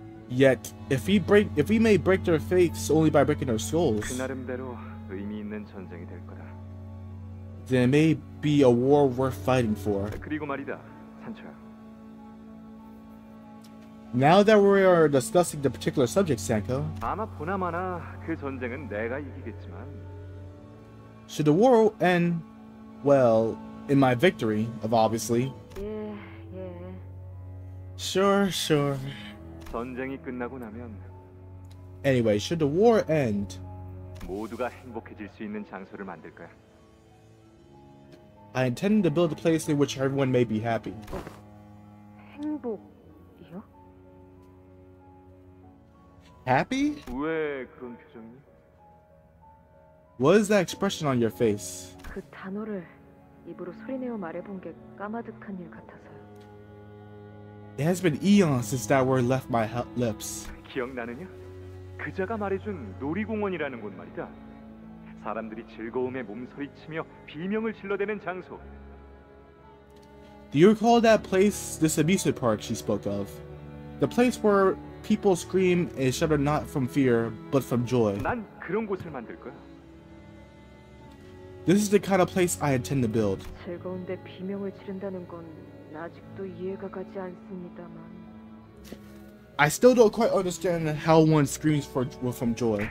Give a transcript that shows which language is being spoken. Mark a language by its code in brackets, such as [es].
[en] Yet, if we may break their faiths only by breaking their souls, [ko] 그 나름대로 의미 있는 전쟁이 될 거다. [en] There may be a war worth fighting for. [ko] 그리고 말이다, 산초야. [en] Now that we are discussing the particular subject, Sanko. [ko] 아마 보나마나 그 전쟁은 내가 이기겠지만. [en] Should the war end, well, in my victory, of obviously. [ko] 예, 예. [en] Sure. [ko] 전쟁이 끝나고 나면. [en] Anyway, should the war end, [ko] 모두가 행복해질 수 있는 장소를 만들 거야. [en] I intend to build a place in which everyone may be happy. [ko] 행복이요? [en] Happy? [ko] 왜 그런 표정이? [en] What is that expression on your face? [ko] 그 단어를 입으로 소리내어 말해본 게 까마득한 일 같아서요. [en] It has been eons since that word left my lips. [ko] 기억나느냐? 그자가 말해준 놀이공원이라는 곳 말이다. 사람들이 즐거움에 몸서리치며 비명을 질러대는 장소. [en] Do you recall that place, this amusement park she spoke of? The place where people scream and shudder not from fear, but from joy. [ko] 난 그런 곳을 만들 거야. [en] This is the kind of place I intend to build. [ko] 즐거운데 비명을 지른다는 건 아직도 이해가 가지 않습니다만. [en] I still don't quite understand how one screams from joy.